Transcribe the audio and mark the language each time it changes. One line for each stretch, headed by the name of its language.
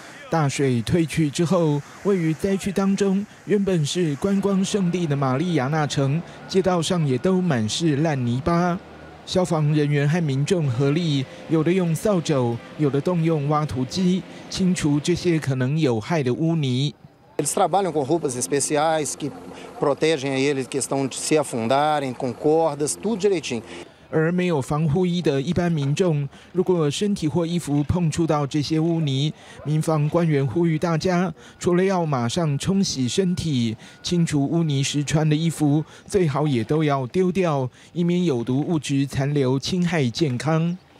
Chinese: 大水退去之后，位于灾区当中，原本是观光胜地的玛丽亚纳城，街道上也都满是烂泥巴。消防人员和民众合力，有的用扫帚，有的动用挖土机，清除这些可能有害的污泥。
Portuguese: Eles trabalham com roupas especiais que protegem a eles que estão de se afundarem com cordas, tudo direitinho。
Chinese: 而没有防护衣的一般民众，如果身体或衣服碰触到这些污泥，民防官员呼吁大家，除了要马上冲洗身体，清除污泥时穿的衣服，最好也都要丢掉，以免有毒物质残留侵害健康。